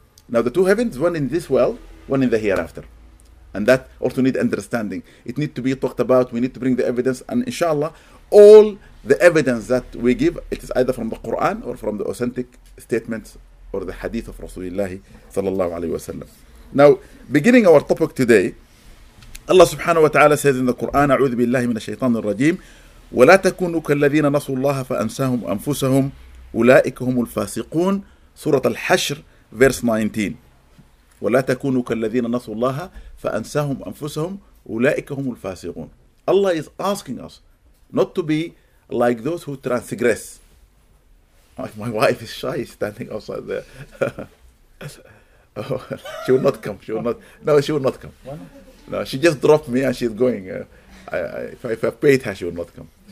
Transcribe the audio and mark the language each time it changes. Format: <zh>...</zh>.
<en>Now the two heavens, one in this world, one in the hereafter. And that also need understanding. It need to be talked about, we need to bring the evidence, and inshallah, all the evidence that we give, it is either from the Quran or from the authentic statements or the hadith of Rasulullah sallallahu alayhi wa sallam. Now, beginning our topic today, Allah subhanahu wa ta'ala says in the Quran,</en> <ar>أعوذ بالله من الشيطان الرجيم ولا تكونوا كالذين نسوا الله فأنساهم أنفسهم أولئك هم الفاسقون, سورة الحشر,</ar> <en>verse 19.</en> <ar>ولا تكونوا كالذين نسوا الله فأنساهم أنفسهم أولئك هم الفاسقون.</ar> <en>Allah is asking us not to be like those who transgress. My wife is shy standing outside there. Oh, she will not come. She will not come. Why not? No, she just dropped me and she's going. If I paid her, she would not come.</en>